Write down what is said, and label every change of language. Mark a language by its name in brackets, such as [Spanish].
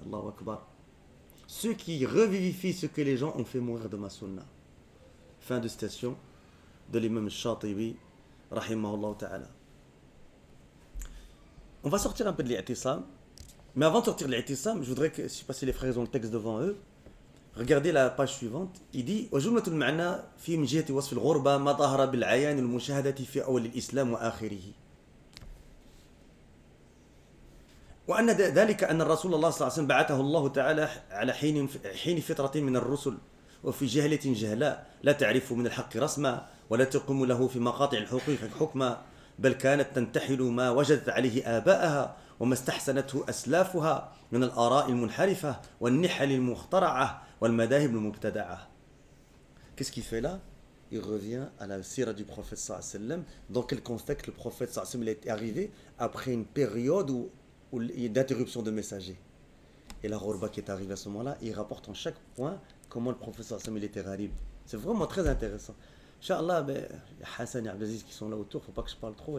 [Arabic] الله أكبر. [French] Ceux qui revivifient ce que les gens ont fait mourir de ma sunna. Fin de citation de l'imam Shatibi, rahimahullah ta'ala. On va sortir un peu de l'i'tisam. Mais avant de sortir de l'i'tisam, je voudrais que, je ne sais pas si les frères ont le texte devant eux, regardez la page suivante. Il dit [Arabic] وجملة المعنى في من جهة وصف الغربة ما ظهر بالعيان المشاهدة في أول الإسلام وآخره. وأن ذلك أن الرسول الله صلى الله عليه وسلم بعثه الله تعالى على حين فترة من الرسل وفي جهلة جهلاء لا تعرف من الحق رسما ولا تقوم له في مقاطع الحقوق حكما بل كانت تنتحل ما وجدت عليه آباءها وما استحسنته أسلافها من الآراء المنحرفة والنحل المخترعة والمذاهب المبتدعة. [French] Qu'est-ce qu'il fait là? Il revient à la sirah du prophète صلى الله عليه وسلم. Dans quel contexte le prophète صلى الله عليه وسلم est arrivé? Après une période où il y a d'interruption de messagers. Et la ghurba qui est arrivée à ce moment-là, il rapporte en chaque point comment le prophète صلى الله عليه وسلم était gharib. C'est vraiment très intéressant. Inch'Allah, Hassan et Abdelaziz qui sont là autour, il ne faut pas que je parle trop.